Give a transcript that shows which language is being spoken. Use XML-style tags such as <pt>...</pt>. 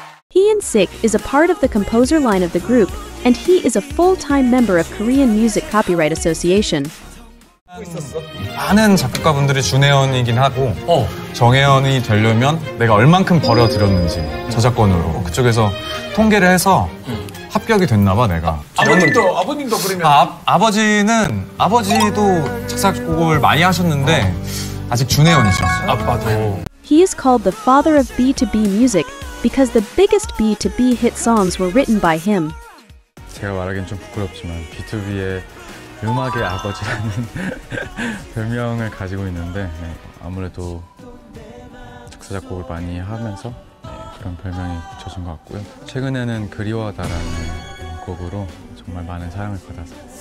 <en>He and Sick is a part of the composer line of the group, and he is a full-time member of Korean Music Copyright Association.</en> <ko>많은 작곡가분들이 준혜원이긴 하고 정혜원이 되려면 내가 얼만큼 벌어들였는지 저작권으로 그쪽에서 통계를 해서 합격이 됐나 봐 내가. 아버님도 그러면 아버지도 작사곡을 많이 하셨는데 아직 준혜원이죠. 아빠도.</ko> <en>He is called the father of B2B music because the biggest B2B hit songs were written by him.</en> <ko>제가 말하기엔 좀 부끄럽지만 B2B의 음악의 아버지라는 별명을 가지고 있는데 네, 아무래도 작사작곡을 많이 하면서 네, 그런 별명이 붙여진 것 같고요. 최근에는 그리워하다라는 곡으로 정말 많은 사랑을 받아서</ko>